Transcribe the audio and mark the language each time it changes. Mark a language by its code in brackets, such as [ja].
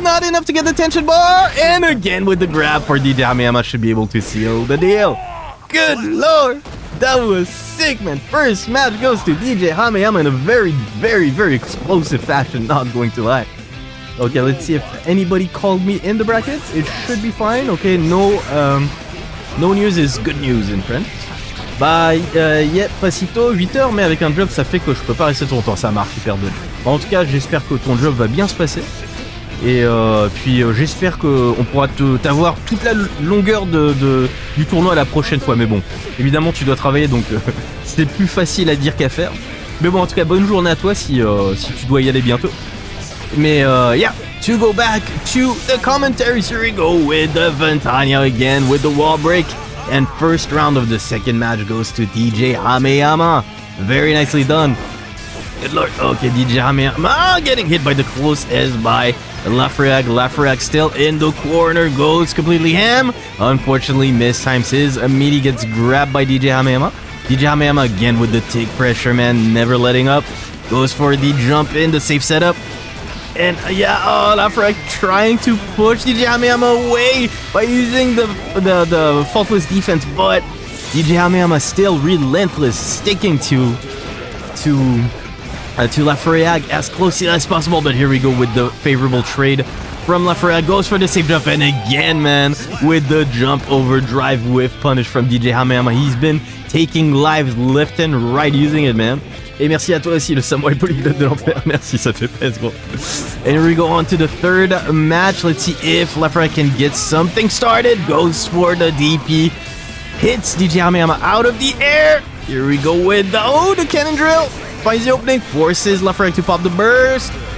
[en] Not enough to get the tension bar! And again with the grab for DJHameyama, should be able to seal the deal. Good lord! That was sick, man! First match goes to DJHameyama in a very, very, very explosive fashion, not going to lie. Okay, let's see if anybody called me in the brackets. It should be fine, okay? No, no news is good news in French. [fr] Bah, yeah, pas si tôt, 8h, mais avec un job, ça fait que je peux pas rester trop longtemps, ça marche hyper bien. Bah, en tout cas, j'espère que ton job va bien se passer. Et puis, j'espère qu'on pourra t'avoir toute la longueur du tournoi la prochaine fois. Mais bon, évidemment, tu dois travailler, donc c'est plus facile à dire qu'à faire. Mais bon, en tout cas, bonne journée à toi si tu dois y aller bientôt. [en] Mais, yeah, to go back to the commentaries, here we go with the Ventania again, with the wall break. And first round of the second match goes to DJHameyama. Very nicely done. Good lord. Okay, DJHameyama getting hit by the close as by Lafroyag. Lafroyag still in the corner. Goes completely ham. Unfortunately, mistimes his. Amidi gets grabbed by DJHameyama. DJHameyama again with the take pressure, man. Never letting up. Goes for the jump in, the safe setup. And yeah, oh, Lafroyag trying to push DJHameyama away by using the faultless defense, but DJHameyama still relentless, sticking to Lafroyag as closely as possible. But here we go with the favorable trade from Lafroyag. Goes for the safe jump, and again, man, with the jump overdrive with punish from DJHameyama. He's been taking lives left and right using it, man. [fr] Et merci à toi aussi, le samouraï polyglotte de l'enfer. Merci, ça fait plaisir, gros. [en] And here we go on to the third match. Let's see if Lafroyag can get something started. Goes for the DP. Hits DJHameyama out of the air. Here we go with the... Oh, the cannon drill. Finds the opening. Forces Lafroyag to pop the burst.